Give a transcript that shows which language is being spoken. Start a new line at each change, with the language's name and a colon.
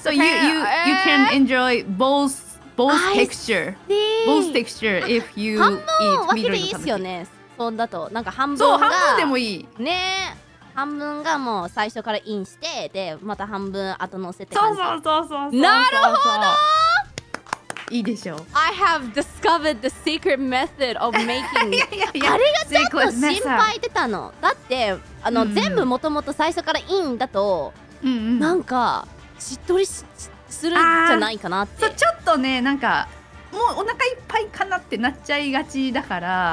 English: So you can enjoy both. Both texture, both texture if you eat
Japanese: tanuki. 半分分けていいっすよね。そうだと、なんか半分が… そう、半分でもいい。ね、半分がもう最初からインして、で、また半分後乗せって感じ。そうそうそうそうそう。なるほど。いいでしょう。
English: I have discovered the secret method of making.
Japanese: いやいやいや、あれがちょっと心配出たの。だってあの、うん、全部もともと最初からインだと、うんうん、なんかしっとりしするんじゃないかなって。そう、ちょっとね、なんかもうお腹いっぱいかなってなっちゃいがちだから、